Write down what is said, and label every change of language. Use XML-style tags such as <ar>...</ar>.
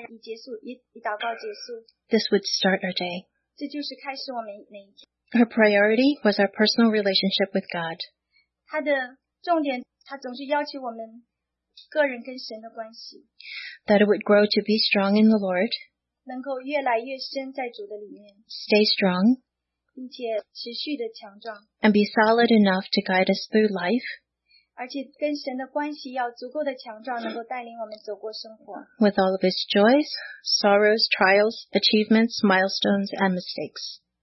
<zh>也许唱一首诗歌，有一点敬拜，以结束，以祷告结束。</zh> <en>This would start our day.</en> <zh>这就是开始我们每一天。</zh> <en>Her priority was our personal relationship with God.</en> <zh>她的重点，她总是要求我们个人跟神的关系。</zh> <en>That it would grow to be strong in the Lord.</en> <zh>能够越来越深在主的里面。</zh> <en>Stay strong. And be solid enough to guide us through life.</en> <zh>而且跟神的关系要足够的强壮，能够带领我们走过生活。</zh> <en>With all of its joys, sorrows, trials, achievements, milestones, and mistakes.</en>